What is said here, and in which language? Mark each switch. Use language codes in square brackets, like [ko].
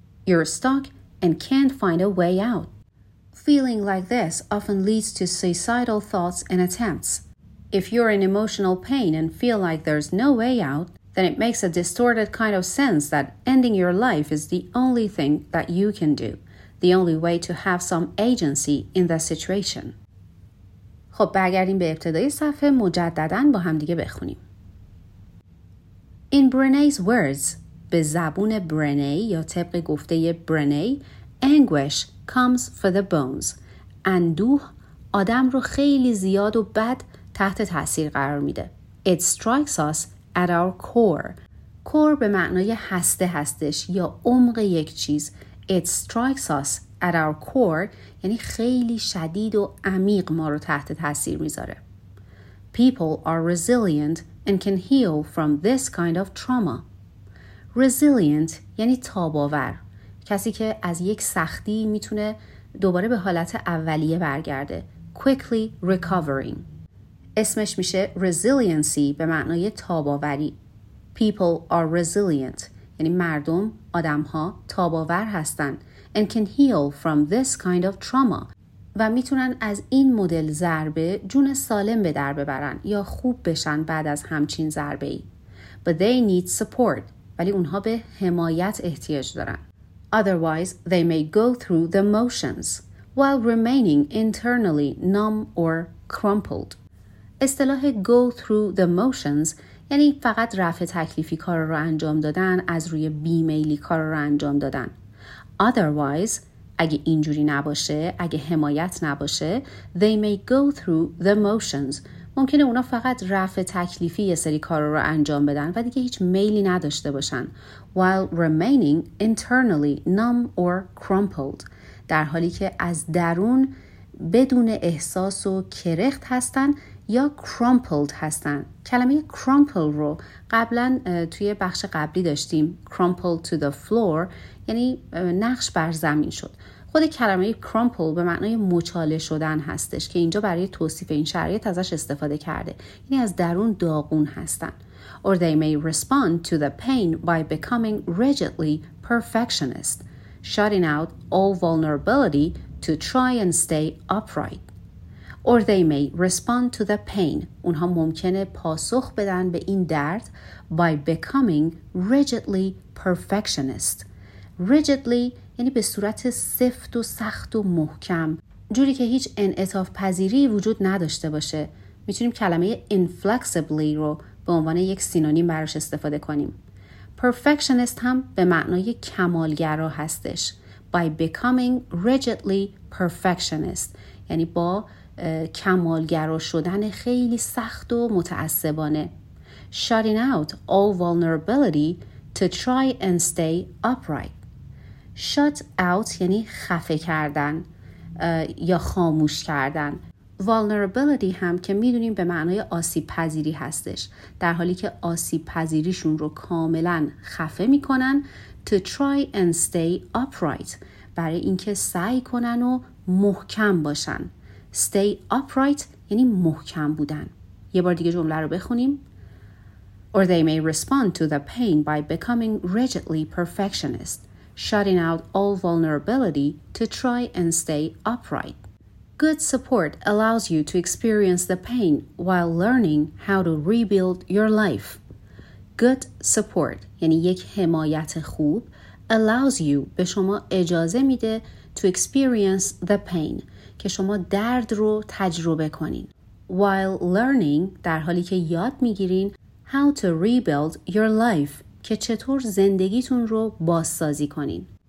[en] You're stuck and can't find a way out. Feeling like this often leads to suicidal thoughts and attempts. If you're in emotional pain and feel like there's no way out, then it makes a distorted kind of sense that ending your life is the only thing that you can do, the only way to have some agency in the situation. [fa] خب برگردیم به ابتدای صفحه مجدداً با هم دیگه بخونیم. [en] In Brené's words, [fa] به زبون برنه یا طبق گفته برنه, [en] anguish comes for the bones. [fa] اندوه آدم رو خیلی زیاد و بد تحت تأثیر قرار میده. [en] It strikes us at our core. [fa] Core به معنای هسته هستش یا عمق یک چیز. [en] It strikes us at our core [fa] یعنی خیلی شدید و عمیق ما رو تحت تأثیر میذاره. [en] People are resilient and can heal from this kind of trauma. [fa] Resilient یعنی تاب‌آور. کسی که از یک سختی میتونه دوباره به حالت اولیه برگرده. [en] Quickly recovering. [fa] اسمش میشه resiliency به معنای تاب‌آوری. [en] People are resilient. [fa] یعنی مردم، آدم‌ها تاب‌آور هستن. [en] And can heal from this kind of trauma. [fa] و میتونن از این مدل ضربه جون سالم به در ببرن یا خوب بشن بعد از همچین ضربه ای. [en] But they need support. [fa] ولی اونها به حمایت احتیاج دارن. [en] Otherwise, they may go through the motions while remaining internally numb or crumpled. [fa] اصطلاح go through the motions یعنی فقط رفع تکلیفی کار رو انجام دادن، از روی بیمیلی کار رو انجام دادن. [en] Otherwise, [fa] اگه اینجوری نباشه، اگه حمایت نباشه, [en] they may go through the motions. [fa] ممکنه اونا فقط رفع تکلیفی یه سری کار رو انجام بدن و دیگه هیچ میلی نداشته باشن. [en] While remaining internally numb or crumpled. [fa] در حالی که از درون بدون احساس و کرخت هستن یا crumpled هستن. کلمه crumple رو قبلا توی بخش قبلی داشتیم. [en] Crumpled to the floor [fa] یعنی نقش بر زمین شد. خود کلمه crumple به معنای مچاله شدن هستش که اینجا برای توصیف این شرایط ازش استفاده کرده. یعنی از درون داغون هستن. [en] Or they may respond to the pain by becoming rigidly perfectionist, shutting out all vulnerability to try and stay upright. Or they may respond to the pain. [fa] اونها ممکنه پاسخ بدن به این درد [en] by becoming rigidly perfectionist. [fa] Rigidly یعنی به صورت سفت و سخت و محکم، جوری که هیچ انعطاف پذیری وجود نداشته باشه. میتونیم کلمه inflexibly رو به عنوان یک سینونیم براش استفاده کنیم. Perfectionist هم به معنای کمالگرا هستش. [en] By becoming rigidly perfectionist [fa] یعنی با کمالگرا شدن خیلی سخت و متعصبانه. [en] Shutting out all vulnerability to try and stay upright. [fa] Shut out یعنی خفه کردن یا خاموش کردن. Vulnerability هم که میدونیم به معنای آسیب پذیری هستش، در حالی که آسیب پذیریشون رو کاملا خفه میکنن. [en] To try and stay upright، [fa] برای اینکه سعی کنن و محکم باشن. Stay upright یعنی محکم بودن. یه بار دیگه جمله رو بخونیم. [en] Or they may respond to the pain by becoming rigidly perfectionist, shutting out all vulnerability to try and stay upright. Good support allows you to experience the pain while learning how to rebuild your life. Good support [fa] یعنی یک حمایت خوب [en] allows you [fa] به شما اجازه میده [en] to experience the pain [fa] که شما درد رو تجربه کنین. [en] While learning [fa] در حالی که یاد میگیرین [en] how to rebuild your life [fa] که چطور زندگیتون رو بازسازی کنین.